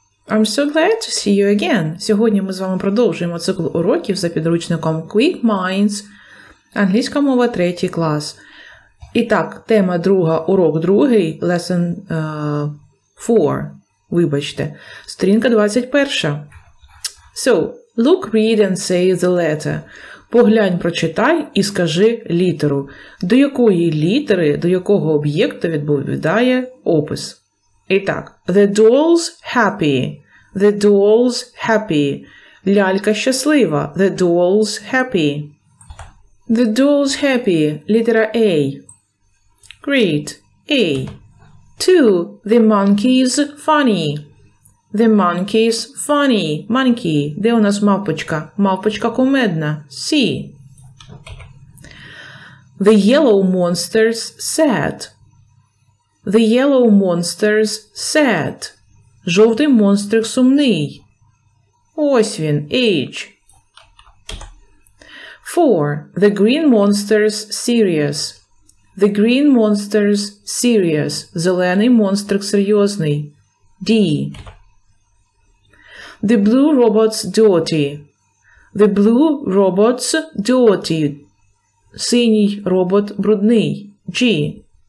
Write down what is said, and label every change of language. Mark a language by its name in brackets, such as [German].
[English] I'm so glad to see you again. [Ukrainian] Сьогодні ми з вами продовжуємо цикл уроків за підручником Quick Minds, англійська мова, третій клас. І так, тема друга, урок другий, [English] lesson 4, [Ukrainian] вибачте, сторінка 21. [English] So, look, read and say the letter. [Ukrainian] Поглянь, прочитай і скажи літеру. До якої літери, до якого об'єкту відповідає опис? І так, [English] the doll's happy. The doll's happy. [Ukrainian] Лялька щаслива. [English] The doll's happy. The doll's happy. Літера A. Great. A. Two. The monkey's funny. The monkey's funny. Monkey. [Ukrainian] Де у нас мавпочка? Мавпочка кумедна. C. [English] The yellow monster's sad. The yellow monster's sad. [Ukrainian] Жовтий монстр сумний. Ось він. H. 4. [English] The green monster's serious. The green monster's serious. [Ukrainian] Зелений монстр серйозний. [English] D. The blue robot's dirty. The blue robot's dirty. [Ukrainian] Синій робот брудний. [English] G.